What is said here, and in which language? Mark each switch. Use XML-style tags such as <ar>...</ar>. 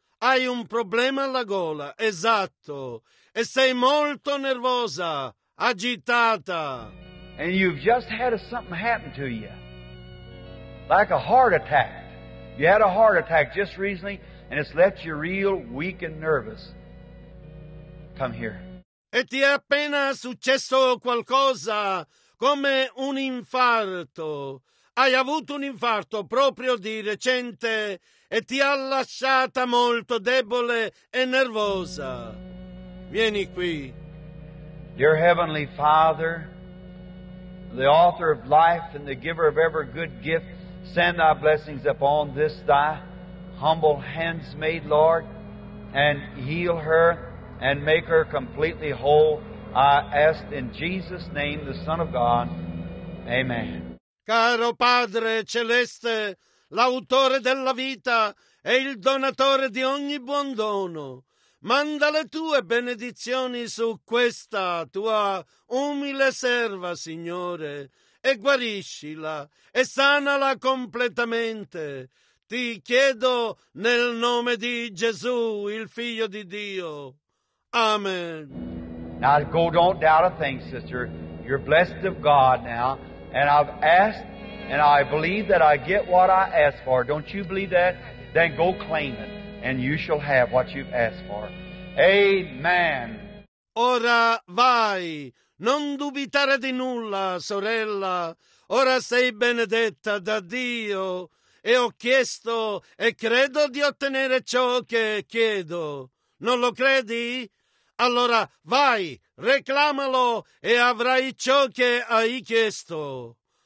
<it>Hai un problema alla gola, esatto. E sei molto nervosa, agitata.</it> <en>And you've just had something happen to you. Like a heart attack. You had a heart attack just recently, and it's left you real weak and nervous. Come here.</en> <it>e ti è appena successo qualcosa come un infarto. Hai avuto un infarto proprio di recente e ti ha lasciata molto debole e nervosa. Vieni qui.</it> <en>Dear Heavenly Father, the author of life and the giver of every good gift, send thy blessings upon this thy humble handsmaid, Lord, and heal her and make her completely whole. I ask in Jesus' name, the Son of God. Amen.</en> <it>Caro Padre Celeste, l'autore della vita e il donatore di ogni buon dono, manda le tue benedizioni su questa tua umile serva, Signore, e guariscila e sanala completamente. Ti chiedo nel nome di Gesù, il Figlio di Dio. Amen.</it> <en>Now go, don't doubt a thing, sister. You're blessed of God now. And I've asked, and I believe that I get what I ask for. Don't you believe that? Then go claim it, and you shall have what you've asked for. Amen.</en> <it>Ora vai. Non dubitare di nulla, sorella. Ora sei benedetta da Dio. E ho chiesto, e credo di ottenere ciò che chiedo. Non lo credi? Allora vai, reclamalo e avrai ciò che hai chiesto.</it>